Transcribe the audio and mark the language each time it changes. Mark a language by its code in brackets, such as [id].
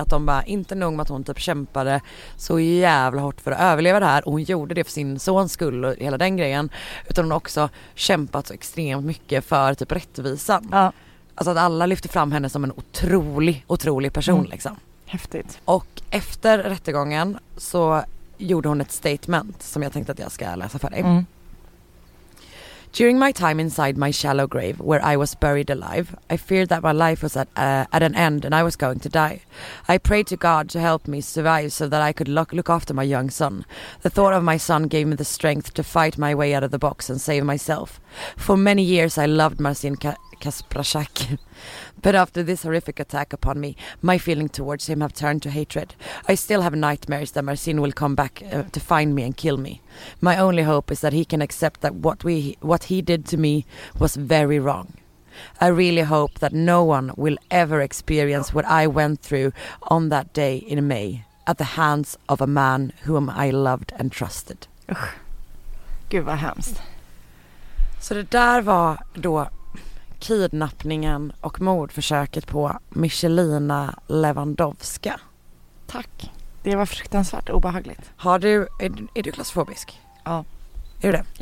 [sv] Att de bara, inte nog med att hon typ kämpade så jävla hårt för att överleva det här. Och hon gjorde det för sin sons skull och hela den grejen. Utan hon har också kämpat så extremt mycket för typ rättvisan. Ja. Alltså att alla lyfter fram henne som en otrolig, otrolig person liksom. Häftigt. Och efter rättegången så gjorde hon ett statement som jag tänkte att jag ska läsa för dig. Mm. [en] During my time inside my shallow grave where I was buried alive, I feared that my life was at an end and I was going to die. I prayed to God to help me survive so that I could look after my young son. The thought of my son gave me the strength to fight my way out of the box and save myself. For many years I loved Marcin Kasprzak, but after this horrific attack upon me, my feeling towards him have turned to hatred. I still have nightmares that Marcin will come back to find me and kill me. My only hope is that he can accept that what he did to me was very wrong. I really hope that no one will ever experience what I went through on that day in May at the hands of a man whom I loved and trusted. [sv] Ugh. Gud vad hemskt. Så det där var då kidnappningen och mordförsöket på Michelina Lewandowska. Tack. Det var fruktansvärt obehagligt. Är du klaustrofobisk? Ja. Är du det?